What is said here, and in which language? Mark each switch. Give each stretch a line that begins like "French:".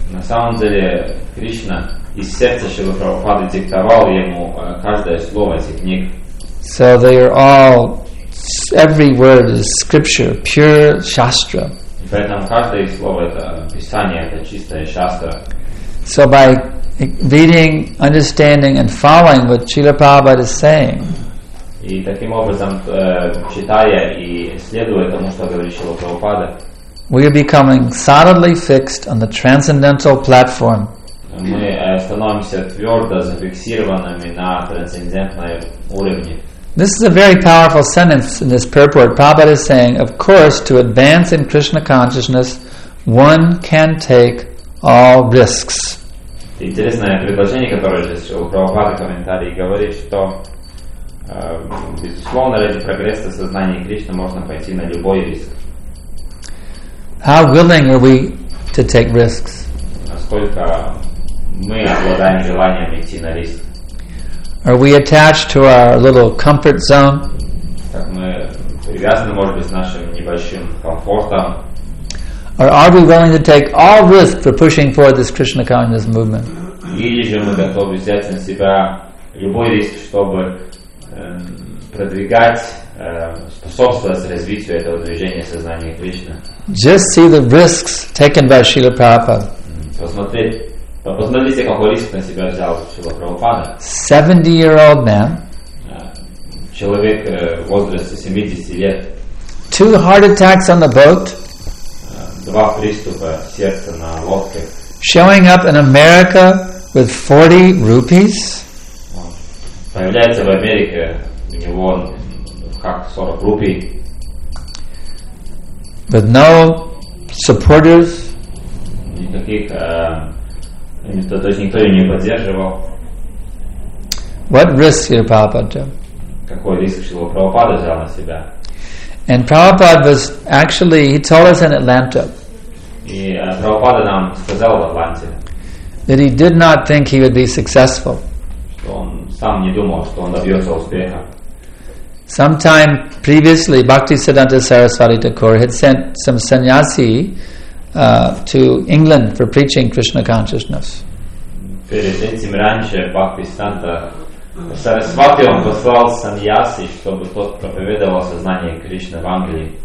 Russian: На самом деле, Кришна из сердца Шрилы Прабхупады диктовал ему каждое слово из книг.
English: So they are all, every word is scripture, pure shastra.
Russian: И поэтому каждое слово это писание, это чистое шастра.
English: So by reading, understanding and following what Srila Prabhupada is saying,
Russian: и таким образом, читая и следуя тому, что говорит Шрила Прабхупада,
English: we are becoming solidly fixed on the transcendental platform.
Russian: Мы становимся твердо зафиксированными на трансцендентном уровне.
English: This is a very powerful sentence in this purport. Prabhupada is saying, of course, to advance in Krishna consciousness, one can take all risks.
Russian: Интересное предложение, которое здесь у Прабхупады в комментарии говорит, что безусловно, ради прогресса сознания Кришны можно пойти на любой риск.
English: How willing are we to take risks?
Russian: Насколько мы обладаем желанием идти на риск?
English: Are we attached to our little comfort zone?
Russian: Как мы привязаны, может быть, с нашим небольшим комфортом?
English: Or are we willing to take all risks for pushing forward this Krishna consciousness movement?
Russian: Или же мы готовы взять на себя любой риск, чтобы продвигать, способствовать развитию этого движения сознания Кришны?
English: Just see the risks taken by Srila Prabhupada.
Russian: Посмотрите, какой риск на себя взял Шрила Прабхупада.
English: 70-year-old man.
Russian: Человек в возрасте 70 лет.
English: 2 heart attacks on the boat.
Russian: 2 приступа сердца на лодке.
English: Showing up in America with 40 rupees.
Russian: Появляется в Америке, у него как 40 рупий.
English: With no supporters.
Russian: Никаких то есть никто ее не поддерживал.
English: What risk did Prabhupada do?
Russian: Какой риск Шрила Прабхупада взял на себя?
English: And Prabhupada was actually, he told us in Atlanta.
Russian: И Прабхупада нам сказал в Атланте.
English: That he did not think he would be successful.
Russian: Сам не думал, что он добьется успеха.
English: Sometime previously, Bhaktisiddhanta Saraswati Thakur had sent some sannyasi to England for preaching Krishna consciousness.
Russian: Перед этим раньше Бхактисиддханта Сарасвати он послал сannyasi, чтобы тот проповедовал сознание Кришны в Англии.